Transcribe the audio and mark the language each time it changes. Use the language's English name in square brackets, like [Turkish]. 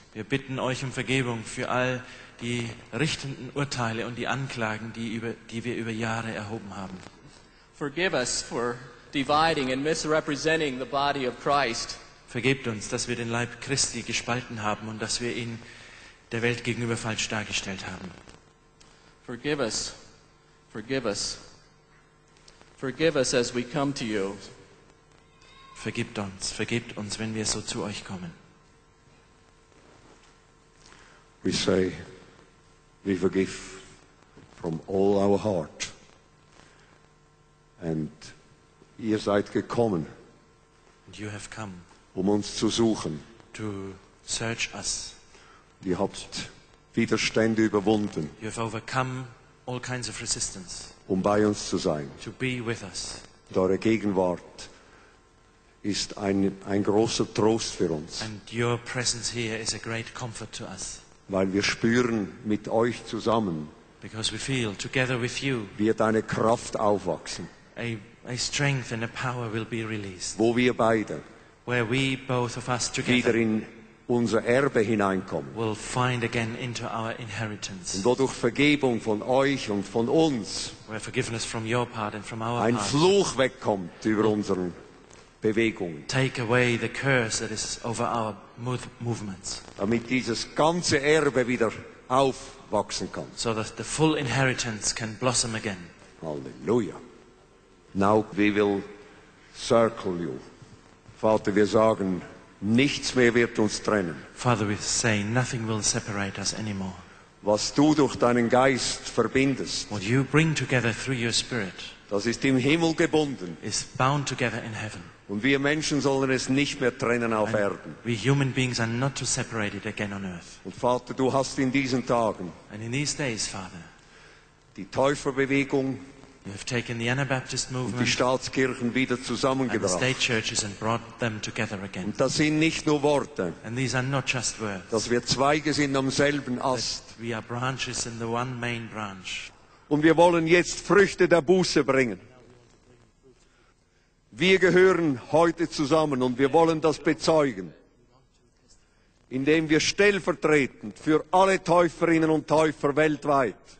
[German] Wir bitten euch um Vergebung für all die richtenden Urteile und die Anklagen, die wir über Jahre erhoben haben. [English] Forgive us for dividing and misrepresenting the body of Christ. [German] Vergebt uns, dass wir den Leib Christi gespalten haben und dass wir ihn der Welt gegenüber falsch dargestellt haben. [English] Forgive us. Forgive us. Forgive us as we come to you. [German] Vergibt uns, wenn wir so zu euch kommen. [English] We say, we forgive from all our heart. And [German] ihr seid gekommen, [English] and you have come, [German] um uns zu suchen, [English] to search us. [German] Ihr habt Widerstände überwunden, [English] you have overcome all kinds of resistance, [German] um bei uns zu sein, [English] to be with us. [German] Und eure Gegenwart ist ein großer Trost für uns. [English] And your presence here is a great comfort to us. [German] Weil wir spüren mit euch zusammen, [English] because we feel together with you, [German] wird eine Kraft aufwachsen, [English] a strength and a power will be released, [German] wo wir beide, [English] where we both of us together, [German] wieder in unser Erbe hineinkommen, [English] will find again into our inheritance, [German] und wodurch Vergebung von euch und von uns, [English] where forgiveness from your part and from our [German] ein [English] part, [German] Fluch wegkommt über unseren Bewegung, [English] take away the curse that is over our movements, [German] damit dieses ganze Erbe wieder aufwachsen kann, [English] so that the full inheritance can blossom again. Halleluja. Now we will circle you. [German] Vater, wir sagen, nichts mehr wird uns trennen. [English] Father, we say, nothing will separate us anymore. [German] Was du durch deinen Geist verbindest, [English] what you bring together through your spirit, [German] das ist im Himmel gebunden, [English] is bound together in heaven. [German] Und wir Menschen sollen es nicht mehr trennen auf [English] and [German] Erden. [English] We human beings are not to separate it again on earth. [German] Und Vater, du hast in diesen Tagen, [English] and in these days, Father, [German] die Täuferbewegung, [English] you have taken the Anabaptist movement, [German] und die Staatskirchen wieder zusammengebracht, [English] and the state churches and brought them together again. [German] Und das sind nicht nur Worte. [English] And these are not just words. [German] Dass wir Zweige sind am selben Ast. [English] We are branches in the one main branch. [German] Und wir wollen jetzt Früchte der Buße bringen. Wir gehören heute zusammen und wir wollen das bezeugen, indem wir stellvertretend für alle Täuferinnen und Täufer weltweit